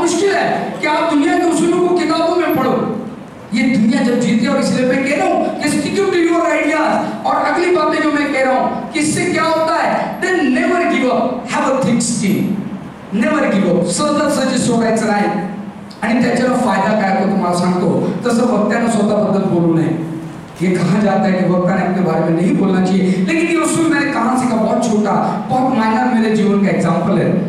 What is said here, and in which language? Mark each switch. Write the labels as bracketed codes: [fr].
[hi] मुश्किल है कि आप दुनिया के उसूलों को किताबों में पढ़ो। ये दुनिया जब जीती है, और इसलिए मैं कह रहा हूं कि [en] Stick to your ideas. [hi] और अगली बातें जो मैं कह रहा हूं कि इससे क्या होता है, [en] then never give up, [hi] have a thick skin, never give up, [mr] सतत सजेस्ट होवायचं नाही। आणि त्याच्या फायदा काय होतो तुम्हाला सांगतो, तसं वक्त्याने स्वतःबद्दल बोलू नये। [hi] ये कहा जाता है कि वक्ता ने अपने बारे में नहीं बोलना चाहिए, लेकिन ये उसूल मैंने कहां सीखा, बहुत छोटा बहुत माइनर मेरे जीवन का एग्जांपल है।